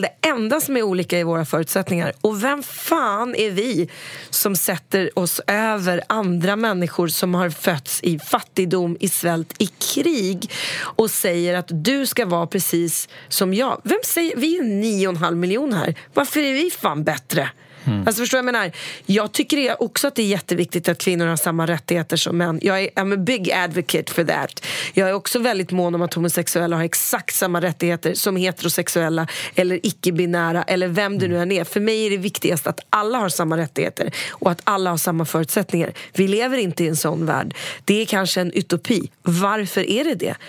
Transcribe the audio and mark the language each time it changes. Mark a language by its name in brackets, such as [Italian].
[Swedish] Det enda som är olika är våra förutsättningar. Och vem fan är vi som sätter oss över andra människor som har fötts i fattigdom, i svält, i krig, och säger att du ska vara precis som jag? Vem säger, vi är 9,5 miljoner här. Varför är vi fan bättre? Mm. Alltså förstår jag menar, jag tycker också att det är jätteviktigt att kvinnor har samma rättigheter som män. [English] I'm a big advocate for that. [Swedish] Jag är också väldigt mån om att homosexuella har exakt samma rättigheter som heterosexuella eller icke-binära eller vem det nu än är. För mig är det viktigast att alla har samma rättigheter och att alla har samma förutsättningar. Vi lever inte i en sån värld. Det är kanske en utopi. Varför är det det?